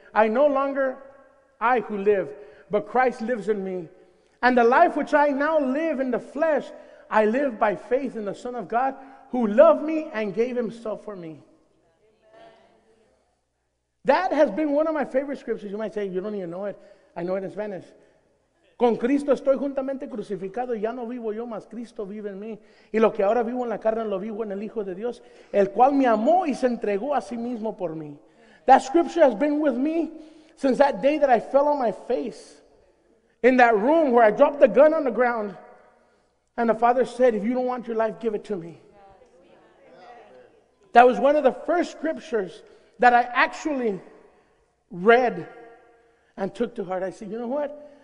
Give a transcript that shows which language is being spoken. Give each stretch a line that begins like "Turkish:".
English: I no longer I who live. But Christ lives in me. And the life which I now live in the flesh, I live by faith in the Son of God who loved me and gave himself for me. That has been one of my favorite scriptures. You might say, you don't even know it. I know it in Spanish.
Spanish: Con Cristo estoy juntamente crucificado, ya no vivo yo, mas Cristo vive en mí. Y lo que ahora vivo en la carne, lo vivo en el Hijo de Dios, el cual me amó y se entregó a sí mismo por mí.
English: That scripture has been with me since that day that I fell on my face in that room where I dropped the gun on the ground and the Father said, if you don't want your life, give it to me. That was one of the first scriptures that I actually read and took to heart. I said, you know what?